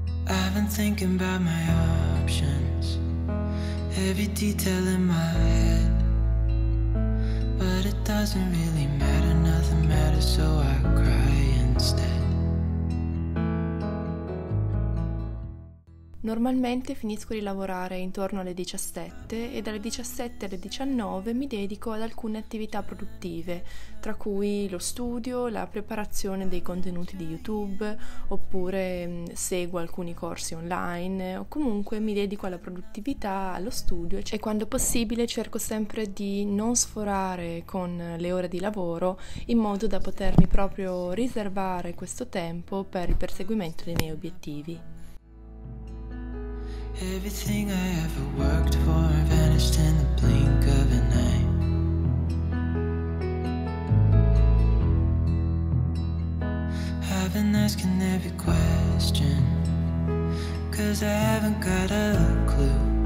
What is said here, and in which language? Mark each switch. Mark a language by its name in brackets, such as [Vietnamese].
[English] I've been thinking about my options, every detail in my head, but it doesn't really matter, nothing matters, so I cry instead. [Italian] Normalmente finisco di lavorare intorno alle 17 e dalle 17 alle 19 mi dedico ad alcune attività produttive, tra cui lo studio, la preparazione dei contenuti di YouTube, oppure seguo alcuni corsi online, o comunque mi dedico alla produttività, allo studio, e quando possibile cerco sempre di non sforare con le ore di lavoro in modo da potermi proprio riservare questo tempo per il perseguimento dei miei obiettivi. [English] Everything I ever worked for vanished in the blink of an eye. I've been asking every question, 'cause I haven't got a clue.